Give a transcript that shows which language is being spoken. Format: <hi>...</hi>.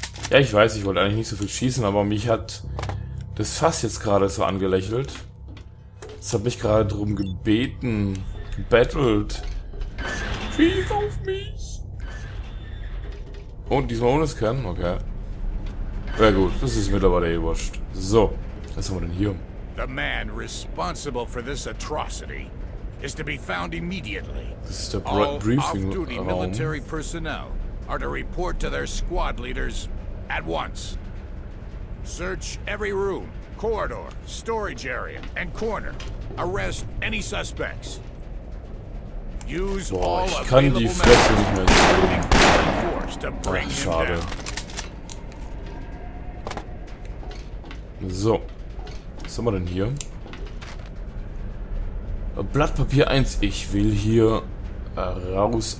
<de>Ja, ich weiß, ich wollte eigentlich nicht so viel schießen, aber mich hat das Fass jetzt gerade so angelächelt. Es hat mich gerade drum gebeten, gebettelt. Schieß auf mich! Und diesmal ohne Scan, okay. Ja gut, das ist mittlerweile eh wurscht. So, was haben wir denn hier?</de> <en>The man responsible for this atrocity is to be found immediately.</en> <de>Das ist der Briefing.</de> <en>All off-duty military personnel are to report to their squad leaders at once. Search every room, corridor, storage area and corner. Arrest any suspects. Use</en> <de>Boah, ich kann die Fresse nicht mehr sehen. Ach, schade. So. Was haben wir denn hier? Blatt Papier 1. Ich will hier raus.</de>